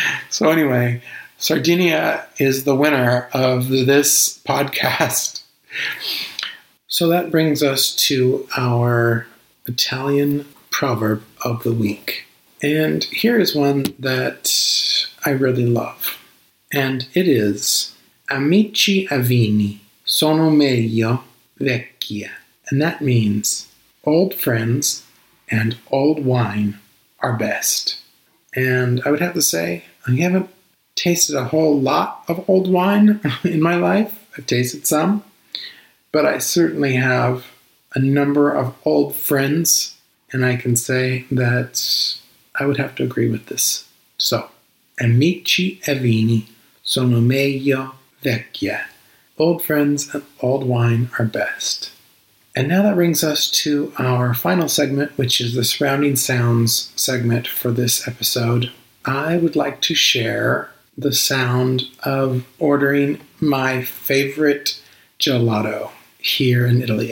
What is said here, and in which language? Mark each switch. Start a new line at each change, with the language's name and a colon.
English: So anyway, Sardinia is the winner of this podcast. So that brings us to our Italian proverb of the week. And here is one that I really love. And it is,
Italian: amici e vini sono meglio vecchia.
English: And that means, old friends and old wine are best. And I would have to say, I haven't tasted a whole lot of old wine in my life. I've tasted some, but I certainly have a number of old friends, and I can say that I would have to agree with this.
Italian: So, amici e vini sono meglio vecchia.
English: Old friends and old wine are best. And now that brings us to our final segment, which is the surrounding sounds segment for this episode. I would like to share the sound of ordering my favorite gelato here in Italy.